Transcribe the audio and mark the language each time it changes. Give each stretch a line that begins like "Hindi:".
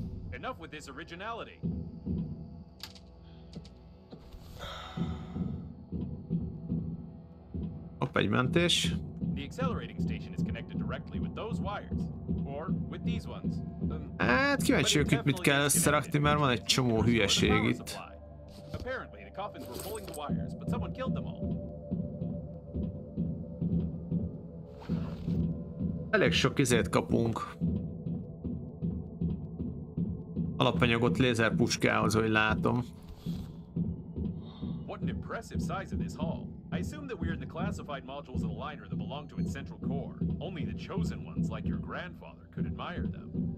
English: Enough with this originality.
Hungarian: Hopp, egy mentés.
English: The accelerating station is connected directly with those wires, or with these ones.
Hungarian: Hát kíváncsi vagyok, mit kell összerakni, mert van egy csomó hülyeség itt.
English: Apparently the coffins were pulling the wires, but someone killed them all.
Hungarian: Elég sok izét kapunk. Alapanyagot lézerpuskához, hogy látom.
English: What an impressive size of this hall. I assume that we're in the classified modules of the liner that belong to its central core. Only the chosen ones, like your grandfather, could admire them.